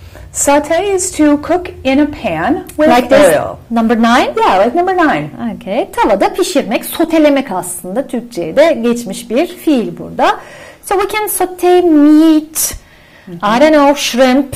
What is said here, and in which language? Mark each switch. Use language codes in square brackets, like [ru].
[en] Saute is to cook in a pan with like oil. This, number nine? Yeah, like number nine. Okay. [tr] Tavada pişirmek, sotelemek aslında Türkçe'ye de geçmiş bir fiil burada. [en] So we can saute meat, I don't know, shrimp.